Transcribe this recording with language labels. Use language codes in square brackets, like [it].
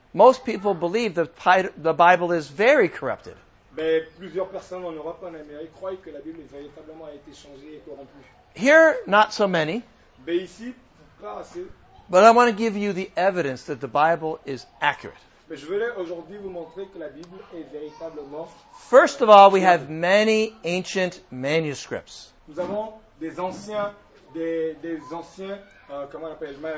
[en] most people believe the Bible is very corrupted. [fr] Ben, plusieurs personnes en Europe et en Amérique croient que la Bible est véritablement a été changée et corrompue. [en] Here, not so many. [fr] Ben, ici, pas assez. [en] But I want to give you the evidence that the Bible is accurate. [fr] Mais je voulais aujourd'hui vous montrer que la Bible est véritablement. [en] First of all, we have many ancient manuscripts. [fr] Nous avons des anciens, des anciens, comment on appelle,